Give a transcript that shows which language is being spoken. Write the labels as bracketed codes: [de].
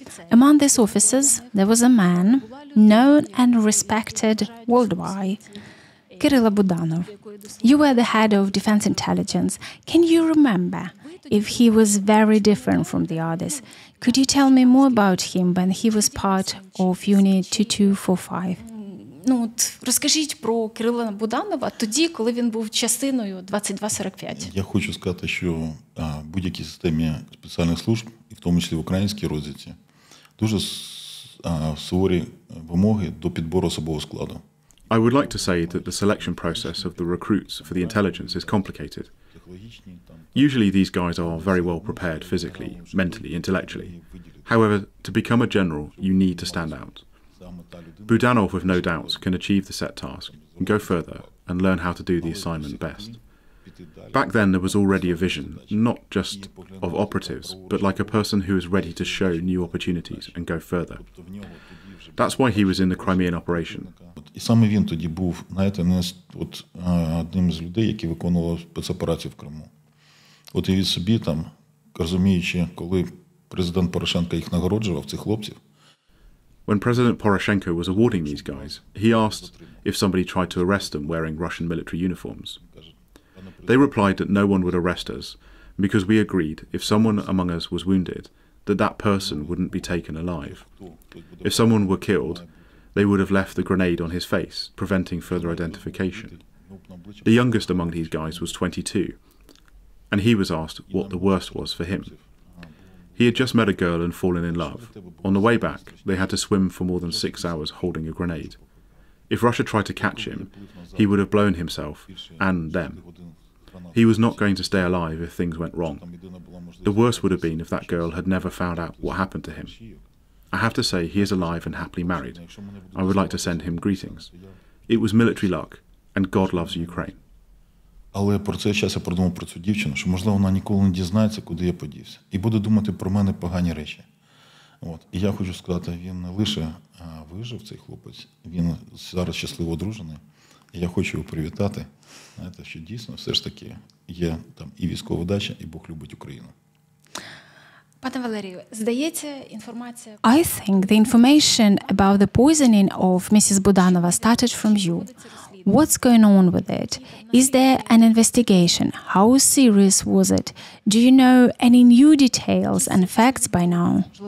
[en] Among these officers, there was a man known and respected worldwide, Kirill Budanov. You were the head of Defense Intelligence. Can you remember if he was very different from the others? Could you tell me more about him when he was part of Unit 2245? [uk] Розкажіть про Кирила Буданова тоді, коли він був частиною 2245. Я хочу сказати, що будь-якій системі спеціальних служб, і в тому числі в українській розвідці, дуже суворі вимоги до підбору особового складу. [en] I would like to say that the selection process of the recruits for the intelligence is complicated. Usually these guys are very well prepared physically, mentally, intellectually. However, to become a general, you need to stand out. Budanov, with no doubts, can achieve the set task, and go further, and learn how to do the assignment best. Back then, there was already a vision, not just of operatives, but like a person who is ready to show new opportunities and go further. That's why he was in the Crimean operation. [uk] І саме він тоді був, знаєте, одним з людей, які виконували спецоперацію в Криму. От і від собі там, розуміючи, коли президент Порошенко їх нагороджував, цих хлопців. [en] When President Poroshenko was awarding these guys, he asked if somebody tried to arrest them wearing Russian military uniforms. They replied that no one would arrest us, because we agreed if someone among us was wounded, that that person wouldn't be taken alive. If someone were killed, they would have left the grenade on his face, preventing further identification. The youngest among these guys was 22, and he was asked what the worst was for him. He had just met a girl and fallen in love. On the way back, they had to swim for more than 6 hours holding a grenade. If Russia tried to catch him, he would have blown himself and them. He was not going to stay alive if things went wrong. The worst would have been if that girl had never found out what happened to him. I have to say, he is alive and happily married. I would like to send him greetings. It was military luck, and God loves Ukraine. [uk] Але про цей час я подумав про цю дівчину, що, можливо, вона ніколи не дізнається, куди я подівся, і буде думати про мене погані речі. От. І я хочу сказати, він не лише вижив, цей хлопець, він зараз щасливо одружений. І я хочу його привітати, знаєте, що дійсно все ж таки є там і військова дача, і Бог любить Україну. [en] I think the information about the poisoning of Mrs. Budanova started from you. What's going on with it? Is there an investigation? How serious was it? Do you know any new details and facts by now?